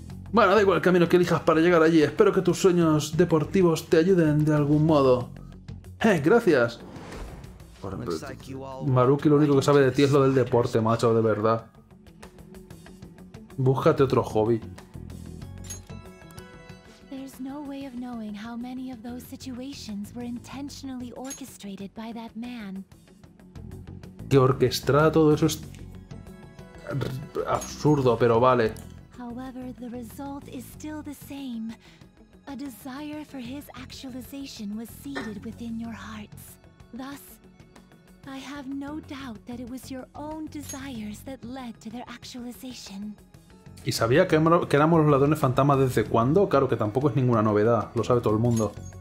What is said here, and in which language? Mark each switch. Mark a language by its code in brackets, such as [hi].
[es] Bueno, da igual el camino que elijas para llegar allí. Espero que tus sueños deportivos te ayuden de algún modo. ¡Eh, gracias! Maruki lo único que sabe de ti es lo del deporte, macho, de verdad. Búscate otro hobby. [en] There's no way of knowing how many of those situations were intentionally orchestrated by that man. [es] Que orquestra todo eso es absurdo, pero vale. [en] However, the result is still the same. A desire for his actualization was seeded within your hearts. Thus, I have no doubt that it was your own desires that led to their actualization. [es] ¿Y sabía que éramos los ladrones fantasmas desde cuándo? Claro que tampoco es ninguna novedad, lo sabe todo el mundo.